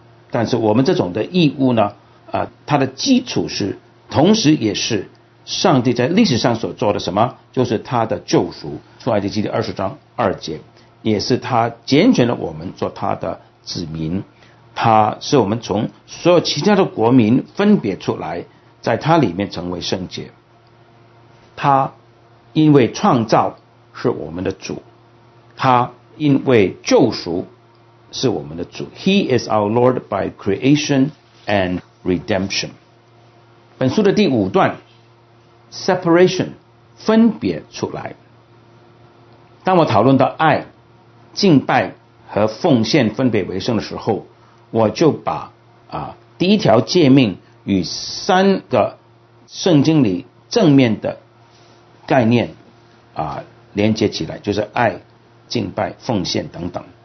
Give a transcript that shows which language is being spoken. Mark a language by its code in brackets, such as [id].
[zh] 但是我们这种的义务呢，它的基础是，同时也是上帝在历史上所做的什么，就是他的救赎，出埃及记第二十章二节，也是他拣选了我们做他的子民，他是我们从所有其他的国民分别出来，在他里面成为圣洁。他因为创造是我们的主，他因为救赎是我们的主。 [en] He is our Lord by creation and redemption。 [zh] 本书的第五段 Separation 分别出来，当我讨论到爱、敬拜和奉献分别为圣的时候，我就把第一条诫命与三个圣经里正面的概念连接起来，就是爱、敬拜、奉献等等。